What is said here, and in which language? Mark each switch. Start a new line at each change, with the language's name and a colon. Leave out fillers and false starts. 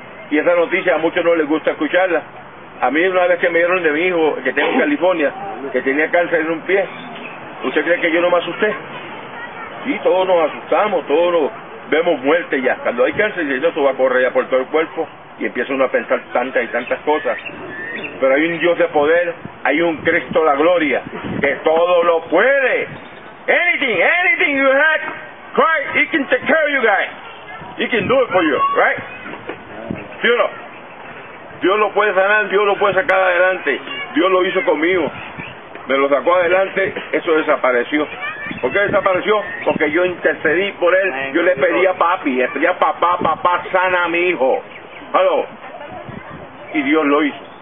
Spanish: Y esa noticia a muchos no les gusta escucharla. A mí una vez que me dieron de mi hijo, que tengo en California, que tenía cáncer en un pie, ¿usted cree que yo no me asusté? Sí, todos nos asustamos, todos nos vemos muerte ya. Cuando hay cáncer, el Señor se va a correr ya por todo el cuerpo y empieza uno a pensar tantas y tantas cosas. Pero hay un Dios de poder, hay un Cristo de la gloria, que todo lo puede.
English: Anything you have, Christ, He can take care of you guys. He can do it for you, right?
Spanish: ¿Sí o no? Dios lo puede sanar, Dios lo puede sacar adelante. Dios lo hizo conmigo. Me lo sacó adelante, eso desapareció. ¿Por qué desapareció? Porque yo intercedí por él. Yo le pedí a papi, le pedí a papá, papá, sana a mi hijo. ¿Aló? Y Dios lo hizo.